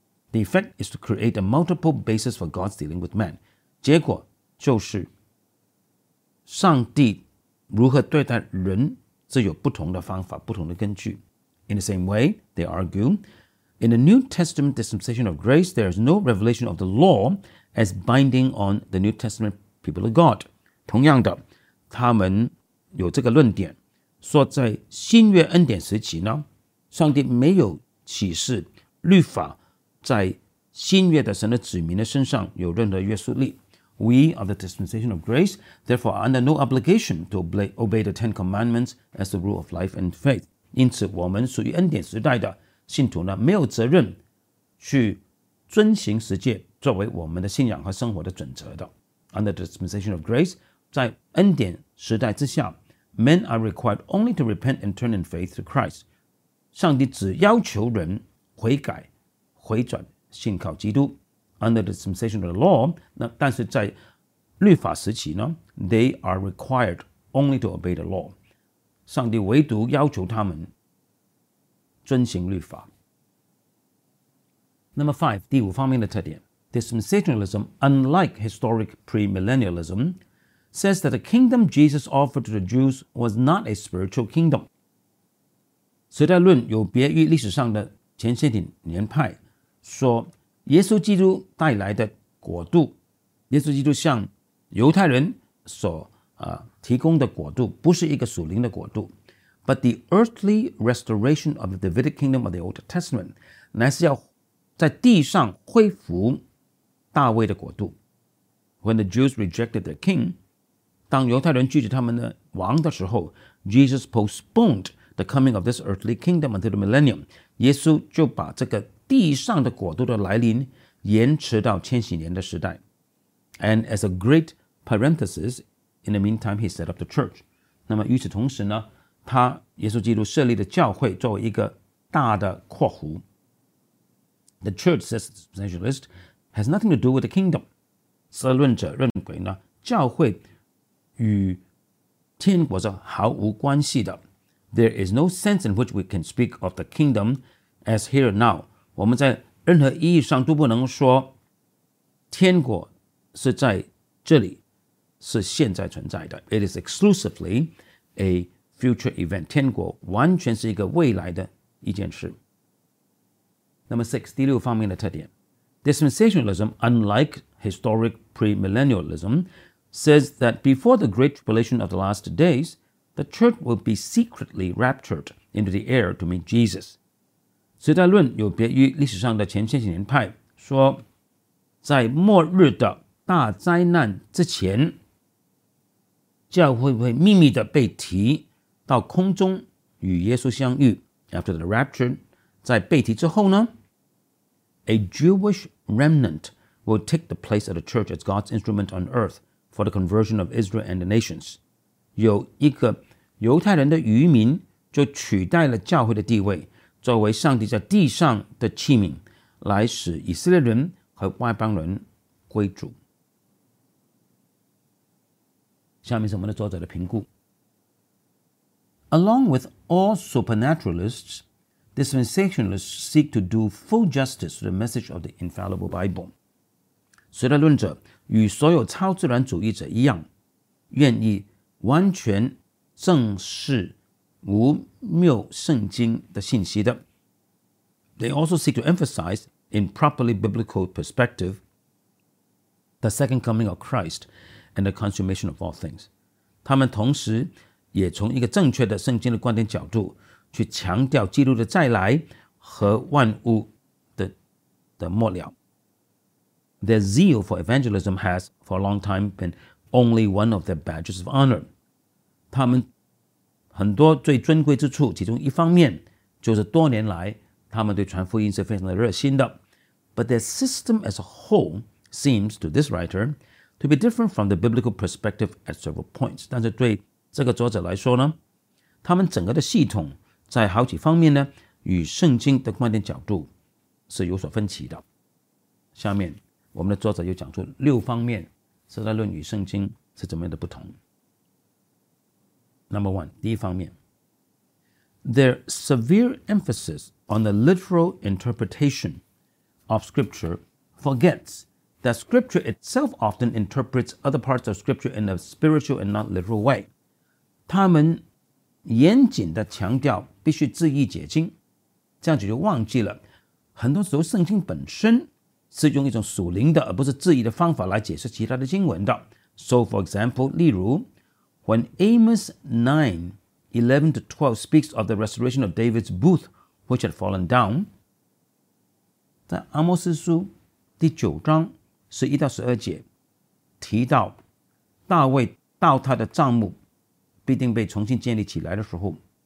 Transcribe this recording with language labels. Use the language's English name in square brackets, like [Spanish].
[English] The effect is to create a multiple basis for God's dealing with man. [Chinese] 结果就是上帝如何对待人是有不同的方法，不同的根据。 [English] In the same way, they argue,In the New Testament dispensation of grace, there is no revelation of the law as binding on the New Testament people of God. [Chinese] 同样的，他们有这个论点，说在新约恩典时期呢，上帝没有启示律法在新约的神的子民的身上有任何约束力。 [English] We are the dispensation of grace, therefore are under no obligation to obey the Ten Commandments as the rule of life and faith. [Chinese] 因此，我们属于恩典时代的信徒呢，没有责任去遵行十诫作为我们的信仰和生活的准则的。 [English] Under the dispensation of grace, [Chinese] 在恩典时代之下， [English] men are required only to repent and turn in faith to Christ. [Chinese] 上帝只要求人悔改、回转、信靠基督。 [English] Under the dispensation of the law, [Chinese] 那但是在律法时期呢， [English] they are required only to obey the law. [Chinese] 上帝唯独要求他们遵行律法。 [English] Number five, [Chinese] 第五方面的特点 [English] Dispensationalism, unlike historic premillennialism, says that the kingdom Jesus offered to the Jews was not a spiritual kingdom. [Chinese] 时代论有别于历史上的前千禧年派，说耶稣基督带来的国度，耶稣基督向犹太人所提供的国度不是一个属灵的国度。 [English] But the earthly restoration of the Davidic kingdom of the Old Testament [Chinese] 乃是要在地上恢复大卫的国度。 [English] When the Jews rejected their king, [Chinese] 当犹太人拒绝他们的王的时候， [English] Jesus postponed the coming of this earthly kingdom until the millennium. [Chinese] 耶稣就把这个地上的国度的来临延迟到千禧年的时代。 [English] And as a great parenthesis, in the meantime, he set up the church. [Chinese] 那么与此同时呢，他耶稣基督设立的教会作为一个大的括弧。 [English] The church, says the dispensationalist, has nothing to do with the kingdom. [Chinese] 社论者认为呢，教会与天国是毫无关系的。 [English] There is no sense in which we can speak of the kingdom as here and now. [Chinese] 我们在任何意义上都不能说天国是在这里，是现在存在的。 [English] It is exclusively a future event. [Chinese] 天国完全是一个未来的一件事。 [English] Number six, [Chinese] 第六方面的特点。 [English] Dispensationalism, unlike historic premillennialism, says that before the great tribulation of the last days, the church will be secretly raptured into the air to meet Jesus. [Chinese] 时代论有别于历史上的前千禧年派，说在末日的大灾难之前，教会会秘密的被提到空中与耶稣相遇。 [English] After the rapture, [Chinese] 在被提之后呢？ [English] A Jewish remnant will take the place of the church as God's instrument on earth for the conversion of Israel and the nations. [Chinese] 有一个犹太人的余民就取代了教会的地位，作为上帝在地上的器皿，来使以色列人和外邦人归主。下面是我们的作者的评估。 [English] Along with all supernaturalists,Dispensationalists seek to do full justice to the message of the infallible Bible. [Chinese] 时代论者与所有超自然主义者一样，愿意完全正视无谬圣经的信息的。 [English] They also seek to emphasize, in properly biblical perspective, the second coming of Christ and the consummation of all things. [Chinese] 他们同时也从一个正确的圣经的观点角度去强调基督的再来和万物 的末了。 [English] Their zeal for evangelism has, for a long time, been only one of their badges of honor. [Chinese] 他们很多最尊贵之处，其中一方面就是多年来他们对传福音是非常的热心的。 [English] But their system as a whole seems, to this writer, to be different from the biblical perspective at several points. [Chinese] 但是对这个作者来说呢，他们整个的系统在好几方面呢，与圣经的观点角度是有所分歧的。下面我们的作者又讲出六方面时代论与圣经是怎么样的不同。 [English] Number one, [Chinese] 第一方面， [English] Their severe emphasis on the literal interpretation of scripture forgets that scripture itself often interprets other parts of scripture in a spiritual and not literal way. [Chinese] 他们严谨地强调必须自义解经，这样子就忘记了很多时候圣经本身是用一种属灵的而不是自义的方法来解释其他的经文的。 [English] So for example, [Chinese] 例如 [English] When Amos 9:11-12 speaks of the restoration of David's booth which had fallen down, [Chinese] 在阿摩斯书第九章11-12节提到大卫倒塌的帐幕必定被重新建立起来的时候，